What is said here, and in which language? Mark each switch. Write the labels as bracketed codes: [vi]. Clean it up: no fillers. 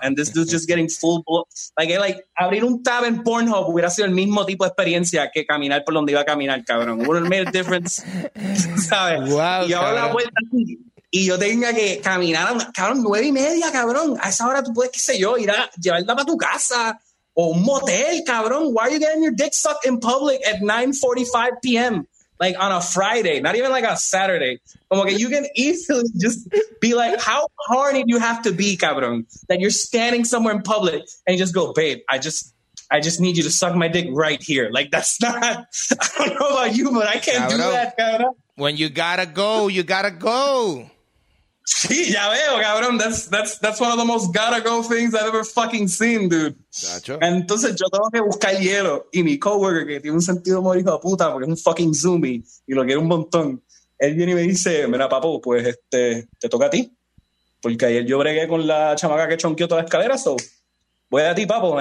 [es] And this dude's just getting full blood. Like, abrir un tab en Pornhub hubiera sido el mismo tipo de experiencia que caminar por donde iba a caminar, cabrón. [en] Wouldn't have made a difference. ¿Sabes? Wow, [es] y yo la vuelta y yo tenga que caminar, cabrón, 9:30, cabrón. A esa hora tú puedes, qué sé yo, ir a llevarla para tu casa o un motel, cabrón. [en] Why are you getting your dick sucked in public at 9:45 p.m.? Like on a Friday, not even like a Saturday. Como que you can easily just be like, how horny do you have to be, cabrón, that you're standing somewhere in public and you just go, babe, I just need you to suck my dick right here. Like, that's not, I don't know about you, but I can't do that, cabrón. When you gotta go, you gotta go. [es] Sí, ya veo, cabrón. [en] That's one of the most gotta go things I've ever fucking seen, dude. Gotcha. [es] Entonces yo tengo que buscar hielo, y mi coworker, que tiene un sentido muy hijo de puta porque es un fucking zoomie y lo quiere un montón, él viene y me dice, mira, papo, pues te toca a ti, porque ayer yo bregué con la chamaca que chonqueó toda la escalera, so voy a ti, papo.